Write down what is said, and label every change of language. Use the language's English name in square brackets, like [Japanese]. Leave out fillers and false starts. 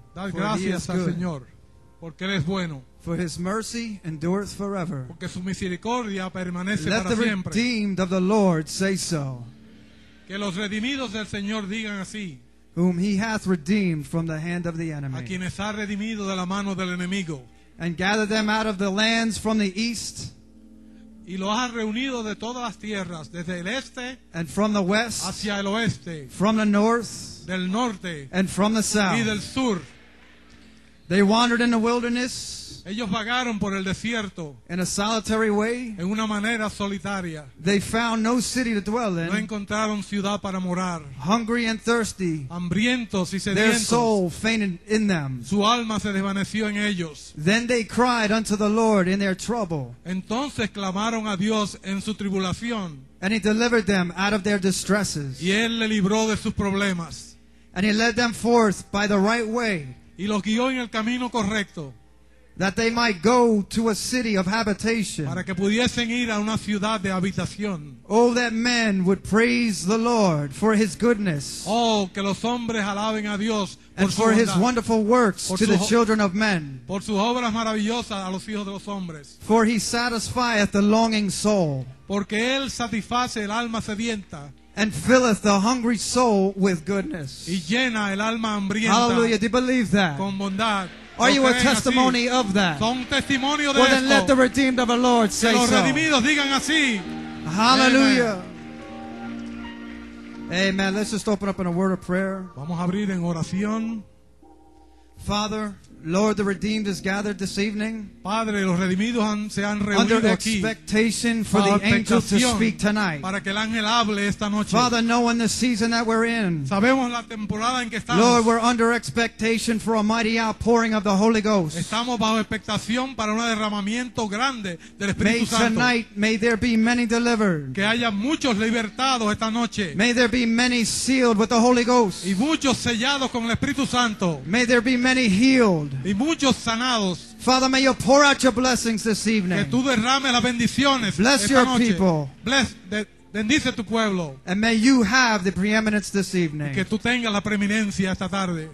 [Spanish] Dar gracias al Señor, porque él es bueno. [English] For his mercy endureth forever. [Spanish] Porque su misericordia permanece [English] Let [Spanish] para siempre. [English] Let the redeemed of the Lord say so. [Spanish] Que los redimidos del Señor digan así. [English] Whom he hath redeemed from the hand of the enemy. [Spanish] A quienes ha redimido de la mano del enemigo. [English] And gathered them out of the lands from the east. [Spanish] Y los ha reunido de todas las tierras, desde el este. [English] And from the west. [Spanish] Hacia el oeste. [English] From the north. [Spanish] Del norte. [English] And from the south. [Spanish] Y del sur. [English] They wandered in the wilderness. [Spanish] Ellos vagaron por el desierto. [English] In a solitary way. [Spanish] En una manera solitaria. [English] They found no city to dwell in. [Spanish] No encontraron ciudad para morar. [English] Hungry and thirsty. [Spanish] Hambrientos y sedientos. [English] Their soul fainted in them. [Spanish] Su alma se desvaneció en ellos. [English] Then they cried unto the Lord in their trouble. [Spanish] Entonces clamaron a Dios en su tribulación. [English] And he delivered them out of their distresses. [Spanish] Y él le libró de sus problemas. [English] And he led them forth by the right way. [Spanish] Y los guió en el camino correcto. [English] That they might go to a city of habitation. [Spanish] Para que pudiesen ir a una ciudad de habitación. [English] Oh, that men would praise the Lord for his goodness. [Spanish] Oh, que los hombres alaben a Dios por [English] and [Spanish] su [English] for [Spanish] bondad. [English] His wonderful works [Spanish] por [English] to the children of men. [Spanish] Por sus obras maravillosas a los hijos de los hombres. [English] For he satisfieth the longing soul. [Spanish] Porque él satisface el alma sedienta. [English] And filleth the hungry soul with goodness. [Spanish] Y llena el alma hambrienta. [English] Hallelujah, do you believe that? [Spanish] Con bondad. [English] Are you a testimony of that? [Spanish] Son testimonio de [English] well, then let the redeemed of the Lord say [Spanish] los redimidos [English] so. [Spanish] Digan así. [English] Hallelujah. Amen. Amen. Let's just open up in a word of prayer. [Spanish] Vamos a abrir en oración. [English] Father, Lord, the redeemed is gathered this evening. [Spanish] Padre, los redimidos se han reunido [English] under [Spanish] aquí [English] expectation for the angel to speak tonight. [Spanish] Para que el ángel hable esta noche. [English] Father, knowing the season that we're in. [Spanish] Sabemos la temporada en que estamos. [English] Lord, we're under expectation for a mighty outpouring of the Holy Ghost. [Spanish] Estamos bajo expectación para un derramamiento grande del Espíritu [English] may [Spanish] Santo. [English] Tonight, may there be many delivered. [Spanish] Que haya muchos libertados esta noche. [English] May there be many sealed with the Holy Ghost. [Spanish] Y muchos sellados con el Espíritu Santo. [English] May there be many healed. [Spanish] Y muchos sanados. [English] Father, may you pour out your blessings this evening. [Spanish] Que tú derrames las bendiciones. [English] Bless [Spanish] esta [English] your [Spanish] noche. [English] People. Bless, [Spanish] bendice tu pueblo. [English] And may you have the preeminence this evening. [Spanish] Y que tú tengas la preeminencia esta tarde.